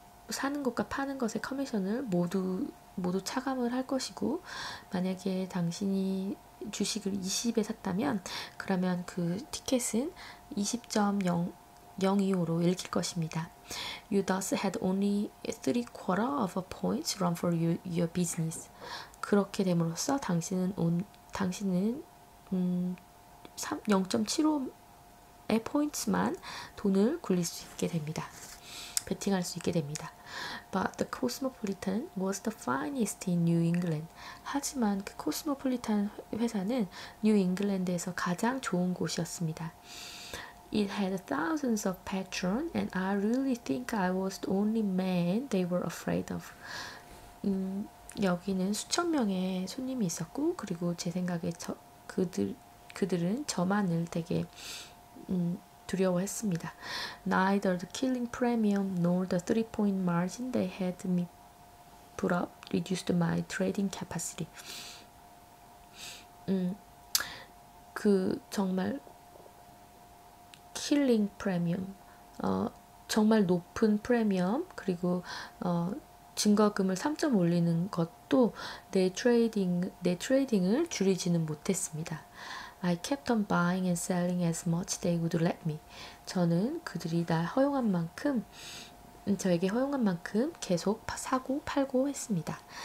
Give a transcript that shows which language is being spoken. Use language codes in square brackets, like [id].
[ko] 사는 것과 파는 것의 커미션을 모두 차감을 할 것이고, 만약에 당신이 주식을 20에 샀다면, 그러면 그 티켓은 20.025로 읽힐 것입니다. [en] You thus had only 3/4 of a point run for your business. [ko] 그렇게 됨으로써 당신은 0.75의 포인트만 돈을 굴릴 수 있게 됩니다. 베팅할 수 있게 됩니다. [en] But the Cosmopolitan was the finest in New England. [ko] 하지만 그 Cosmopolitan 회사는 New England에서 가장 좋은 곳이었습니다. [en] It had thousands of patrons, and I really think I was the only man they were afraid of. [ko] 여기는 수천 명의 손님이 있었고, 그리고 제 생각에 그들은 저만을 되게 두려워했습니다. [en] Neither the killing premium nor the 3-point margin they had me put up reduced my trading capacity. [ko] 그 정말 killing premium, 정말 높은 프리미엄, 그리고 증거금을 3점 올리는 것도 내 트레이딩을 줄이지는 못했습니다. [en] I kept on buying and selling as much they would let me. [ko] 저는 그들이 날 허용한 만큼, 저에게 허용한 만큼 계속 사고 팔고 했습니다.